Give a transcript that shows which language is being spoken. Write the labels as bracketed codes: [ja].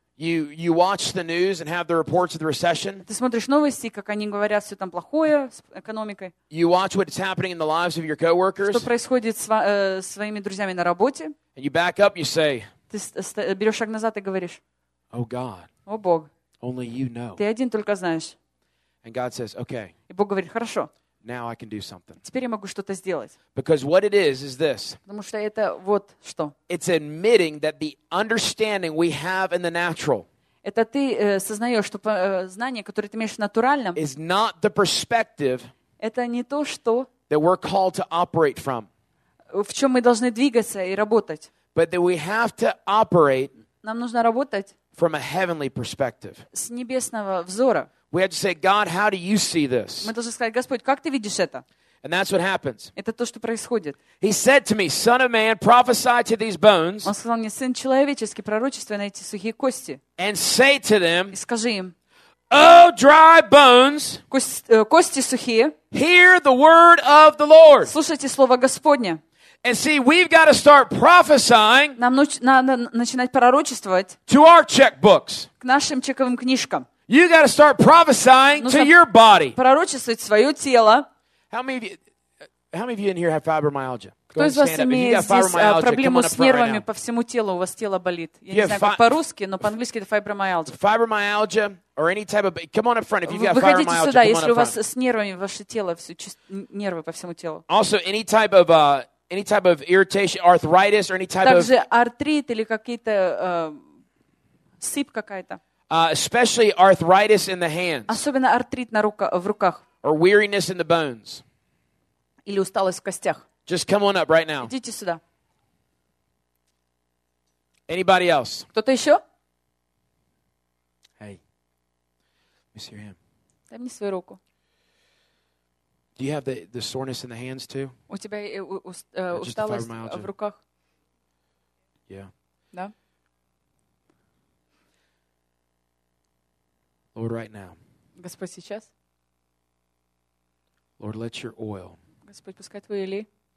[en] You watch the news and have the reports of the recession. [ru] Ты смотришь новости, как они говорят, все там плохое с экономикой. [en] You watch what's happening in the lives of your coworkers. [ru] Что происходит с своими друзьями на работе. [en] And you back up, you say. [ru] Ты берешь шаг назад и говоришь. [en] Oh God. [ru] О Бог. [en] Only you know. [ru] Ты один только знаешь. [en] And God says, okay. [ru] И Бог говорит, хорошо. [en] Now I can do something. [ru] Теперь я могу что-то сделать. [en] Because what it is this. [ru] Потому что это вот что. [en] It's admitting that the understanding we have in the natural. [ru] Это ты сознаешь, что знание, которое ты имеешь в натуральном. [en] Is not the perspective. [ru] Это не то, что. [en] That we're called to operate from. [ru] В чем мы должны двигаться и работать. [en] But that we have to operate. [ru] Нам нужно работать. [en] From a heavenly perspective. [ru] С небесного взора. [en] We have to say, God, how do you see this? [ru] Мы должны сказать, Господь, как ты видишь это? [en] And that's what happens. [ru] Это то, что происходит. [en] He said to me, Son of man, prophesy to these bones. [ru] Он сказал мне, Сын человеческий, пророчествуй на эти сухие кости. [en] And say to them. [ru] И скажи им. [en] Oh, dry bones. [ru] Кости сухие. [en] Hear the word of the Lord. [ru] Слушайте слово Господне. [en] And see, we've got to start prophesying. [ru] Нам надо начинать пророчествовать. [en] To our checkbooks. [ru] К нашим чековым книжкам. [en] You got to start prophesying to your body. [ru] Пророчествовать свое тело. [en] How many of you in here have fibromyalgia? [ru] Кто из вас имеет здесь проблему с нервами по всему телу? У вас тело болит. Я не знаю, как по-русски, но по-английски это fibromyalgia. [en] Fibromyalgia or any type of... Come on up front if you've got [ru] Выходите сюда, если у вас с нервами ваше тело, нервы по всему телу. [en] Also, any type of irritation, arthritis or any type of... [ru] Также артрит или какие-то сыпь какая-то. [en] Especially arthritis in the hands. [ru] Особенно артрит в руках. [en] Or weariness in the bones. [ru] Или усталость в костях. [en] Just come on up right now. [ru] Идите сюда. [en] Anybody else? [ru] Кто-то еще? [en] Hey. Miss your hand. [ru] Дай мне свою руку. [en] Do you have the soreness in the hands too? [ru] У тебя усталость в руках? [en] Yeah. [ru] Да. [en] Lord, right now. [ru] Господь, сейчас. [en] Lord, let your oil. [ru] Господь, пускай твой олей.